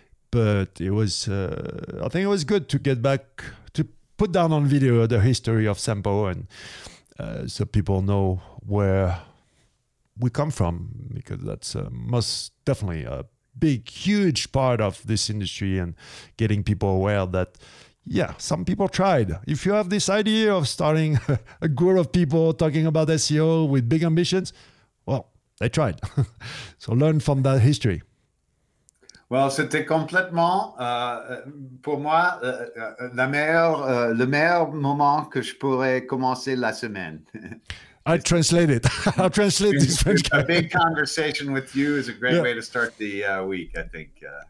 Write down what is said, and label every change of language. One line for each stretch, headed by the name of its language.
English: But it was, I think it was good to get back, to put down on video the history of SEMPO, and so people know where we come from, because that's most definitely a big, huge part of this industry, and getting people aware that, yeah, some people tried. If you have this idea of starting a group of people talking about SEO with big ambitions, well, they tried. So learn from that history.
French: Well, c'était complètement, pour moi, le meilleur moment que je pourrais commencer la semaine.
English: I translate it. I'll translate this French. A big conversation with you is a great way to start the week, I think.